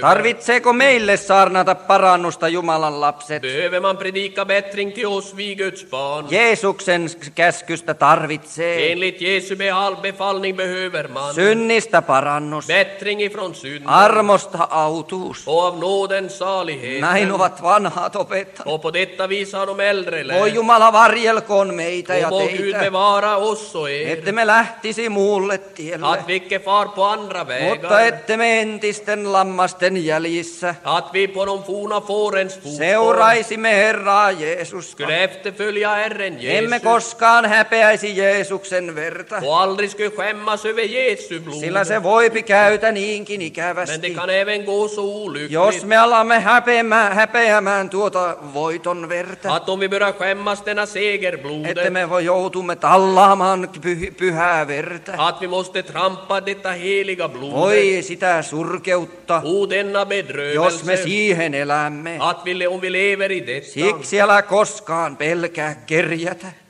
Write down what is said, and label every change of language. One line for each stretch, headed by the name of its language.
Finnish: Tarvitseeko meille saarnata parannusta Jumalan lapset?
Swedish: Behöver man predika bättring till oss vi Guds barn?
Finnish: Jeesuksen käskystä tarvitsee.
Swedish: Enligt Jesu befallning behöver man.
Finnish: Synnistä parannus.
Swedish: Bättring ifrån synden.
Finnish: Armosta autuus.
Swedish: Och av nåden saligheten.
Finnish: Näin ovat vanhat opettaneet.
Swedish: Och på detta vis har de äldre lärt.
Finnish: Voi Jumala varjelkoon meitä. Ja teitä,
Swedish: Gud bevara oss och er.
Finnish: Ette me lähtisi muulle tielle.
Swedish: Att vi icke far på andra vägar.
Finnish: Mutta ette me entisten lammasten jäljissä.
Swedish: Att vi på de forna fårens fotspår.
Finnish: Seuraisimme Herraa Jeesusta.
Swedish: Skulle efterfölja Herren Jeesus.
Finnish: Emme koskaan häpeäisi Jeesuksen verta.
Swedish: Och aldrig skulle skämmas över Jeesu blod.
Finnish: Sillä se voipi käytä niinkin ikävästi.
Swedish: Men det kan även gå så olyckligt.
Finnish: Jos me alamme häpeämään tuota voiton verta.
Swedish: Att om vi börjar skämmas denna segerblodet.
Finnish: Ette me joutumme tallaamaan pyhää verta.
Swedish: Att vi måste trampa detta heliga blodet.
Finnish: Voi sitä surkeutta, jos me siihen elämme.
Swedish: Om vi lever i detta.
Finnish: Siksi älä koskaan pelkää kerjätä.